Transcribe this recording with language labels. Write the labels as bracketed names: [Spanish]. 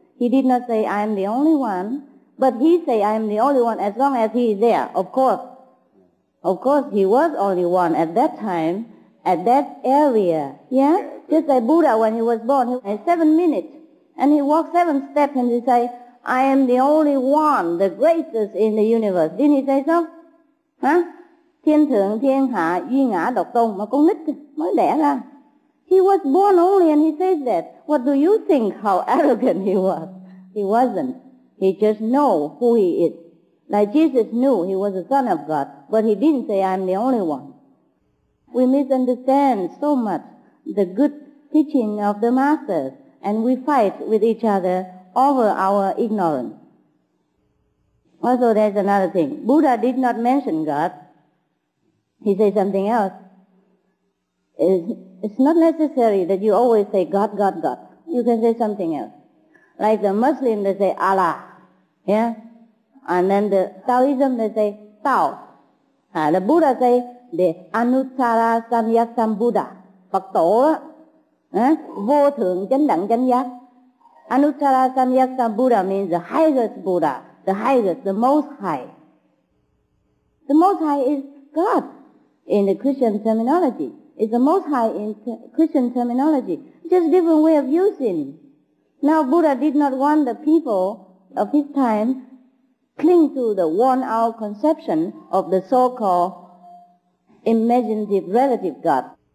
[English] He did not say, I am the only one. But he say, I am the only one as long as he is there. Of course. Of course, he was only one at that time, at that area. Yeah? Just like Buddha when he was born, he had 7 minutes. And he walked 7 steps and he said, I am the only one, the greatest in the universe. Didn't he say so? Huh? [Vietnamese] Thiên thượng, thiên hạ, duy ngã, độc tôn. Mà con nít mới đẻ ra. [English] He was born only and he says that. What do you think how arrogant he was? He wasn't. He just know who he is. Like Jesus knew he was the Son of God, but he didn't say, I'm the only one. We misunderstand so much the good teaching of the masters, and we fight with each other over our ignorance. Also, there's another thing. Buddha did not mention God. He said something else. It's not necessary that you always say God, God, God. You can say something else. Like the Muslim, they say Allah. Yeah? And then the Taoism, they say Tao. The Buddha say the Anuttara Samyaksam Buddha. [Vietnamese] Phật Tổ, Vô Thượng Chánh Đẳng Chánh Giác. [English] Anuttara Samyaksam Buddha means the highest Buddha, the highest, the most high. The most high is God in the Christian terminology. It's the most high in Christian terminology. Just different way of using. Now Buddha did not want the people of his time cling to the worn-out conception of the so-called imaginative relative God.